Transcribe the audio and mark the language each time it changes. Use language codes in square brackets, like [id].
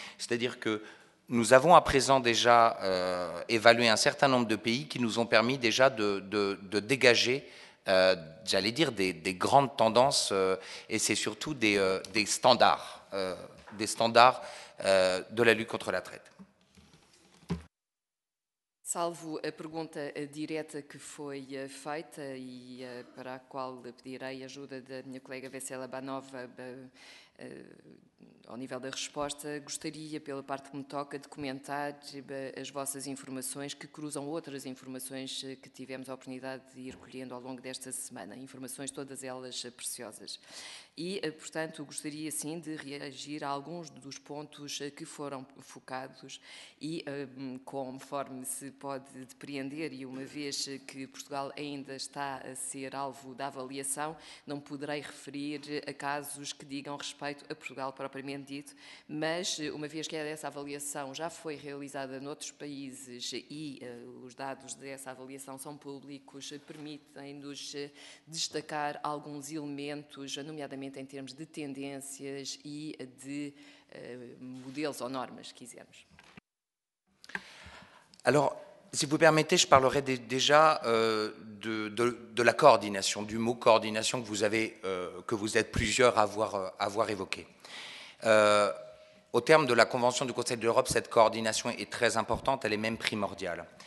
[fr] C'est-à-dire que nous avons à présent déjà évalué un certain nombre de pays qui nous ont permis déjà de dégager, j'allais dire, des grandes tendances, et c'est surtout des standards de la lutte contre la traite. [pt] Salvo a pergunta direta que foi feita e para a qual pedirei a ajuda da minha colega Vecela Banova ao nível da resposta, gostaria, pela parte que me toca, de comentar as vossas informações que cruzam outras informações que tivemos a oportunidade de ir colhendo ao longo desta semana, informações todas elas preciosas. E, portanto, gostaria sim de reagir a alguns dos pontos que foram focados e, conforme se pode depreender, e uma vez que Portugal ainda está a ser alvo da avaliação, não poderei referir a casos que digam respeito a Portugal propriamente dito, mas, uma vez que essa avaliação já foi realizada noutros países e os dados dessa avaliação são públicos, permitem-nos destacar alguns elementos, nomeadamente em termos de tendências e de modelos ou normas, se quisermos. [fr] Alors, si vous permettez, je parlerai déjà de la coordination, du mot coordination que vous avez, que vous êtes plusieurs à avoir évoqué. Au terme de la Convention du Conseil de l'Europe, cette coordination est très importante, elle est même primordiale.